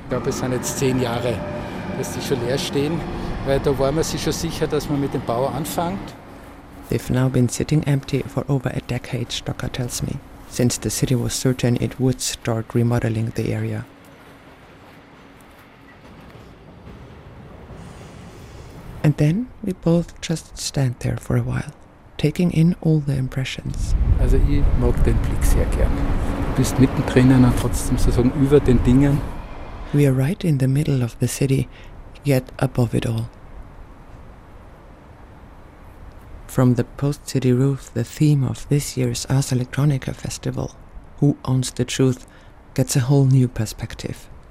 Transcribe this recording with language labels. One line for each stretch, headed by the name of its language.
German: Ich glaube, es sind jetzt 10 Jahre, dass die schon leer stehen. Weil da war man sich schon sicher, dass man mit dem Bau anfängt.
English: They've now been sitting empty for over a decade, Stocker tells me, since the city was certain it would start remodeling the area. And then we both just stand there for a while, taking in all the impressions.
German: Also ich mag den Blick sehr gern. Du bist mittendrin und trotzdem sozusagen über den Dingen.
English: We are right in the middle of the city, yet above it all. From the Post City roof, the theme of this year's Ars Electronica Festival, Who Owns the Truth, gets a whole new perspective.